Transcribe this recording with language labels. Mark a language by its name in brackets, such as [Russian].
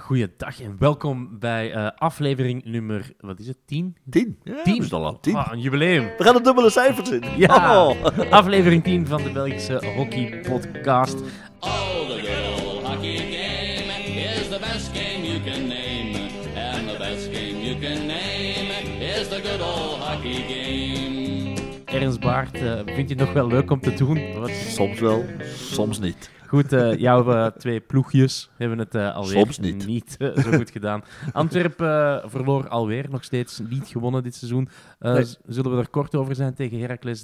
[Dutch] Goeiedag en welkom bij aflevering nummer, wat is het, 10? 10. Tien? Ja, tien? Tien. Oh, een jubileum. We gaan een dubbele cijfer zien. Ja, oh. Aflevering 10 van de Belgische Hockey Podcast. [English] Oh, the good old hockey game is the best game you can name. And the best game you can name is the good old hockey game. [Dutch] Ernst Baart, vind je het nog wel leuk om te doen? Wat? Soms wel, soms niet. Goed, jouw twee ploegjes hebben het alweer soms niet, zo goed gedaan. Antwerpen verloor alweer, nog steeds niet gewonnen dit seizoen. Zullen we er kort over zijn tegen Heracles?